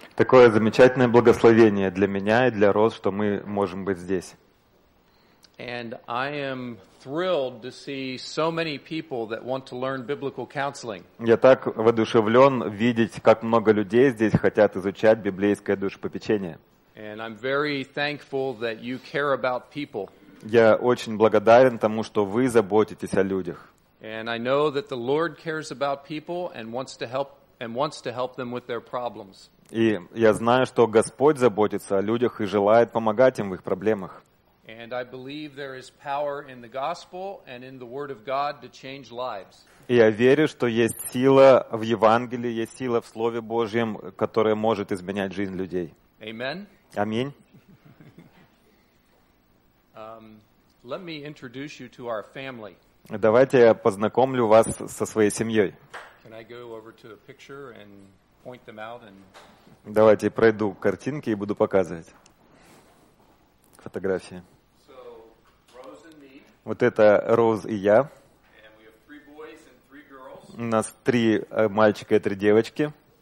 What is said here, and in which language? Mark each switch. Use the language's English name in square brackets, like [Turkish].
[Russian] Такое замечательное благословение для меня и для Роз, что мы можем быть здесь. [English] And I am thrilled to see so many people that want to learn biblical counseling. [Russian] Я так воодушевлен видеть, как много людей здесь хотят изучать библейское душепопечение. [English] And I'm very thankful that you care about people. [Russian] Я очень благодарен тому, что вы заботитесь о людях. [English] And I know that the Lord cares about people and wants to help them with their problems. [Russian] И я знаю, что Господь заботится о людях и желает помогать им в их проблемах. [English] And I believe there is power in the gospel and in the word of God to change lives. [Russian] И я верю, что есть сила в Евангелии, есть сила в Слове Божьем, которая может изменять жизнь людей. [English] Amen. [Russian] Аминь. [English] Let me introduce you to our family. [Russian] Давайте я познакомлю вас со своей семьей. [English] Can I go over to a picture and point them out and... [Russian] Давайте пройду к картинке и буду показывать фотографии. [English] So, Rose and me. [Russian] Вот это Роуз и я. [English] And we have three boys and three girls. [Russian] У нас три мальчика и три девочки.